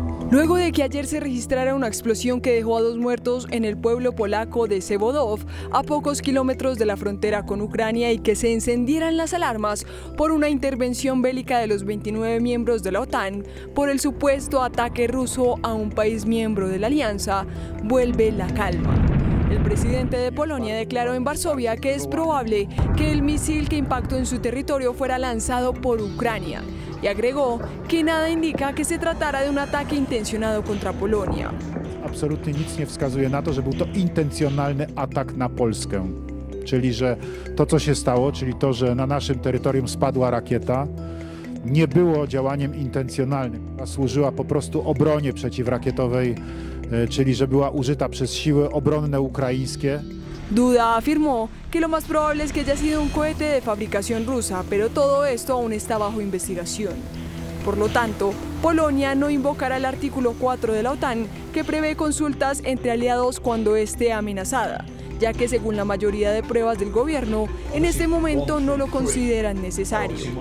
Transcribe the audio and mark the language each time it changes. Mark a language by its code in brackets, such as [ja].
[es] Luego de que ayer se registrara una explosión que dejó a dos muertos en el pueblo polaco de Sewodów, a pocos kilómetros de la frontera con Ucrania, y que se encendieran las alarmas por una intervención bélica de los 29 miembros de la OTAN por el supuesto ataque ruso a un país miembro de la alianza, vuelve la calma. El presidente de Polonia declaró en Varsovia que es probable que el misil que impactó en su territorio fuera lanzado por Ucrania. Y agregó que nada indica que se tratara de un ataque intencionado contra Polonia. [pl] Absolutnie nic nie wskazuje na to, że był to intencjonalny atak na Polskę. Czyli że to, co się stało, czyli to, że na naszym terytorium spadła rakieta, nie było działaniem intencjonalnym, a służyła po prostu obronie przeciwrakietowej, czyli że była użyta przez siły obronne ukraińskie. [es] Duda afirmó que lo más probable es que haya sido un cohete de fabricación rusa, pero todo esto aún está bajo investigación. Por lo tanto, Polonia no invocará el artículo 4 de la OTAN, que prevé consultas entre aliados cuando esté amenazada, ya que según la mayoría de pruebas del gobierno, en este momento no lo consideran necesario.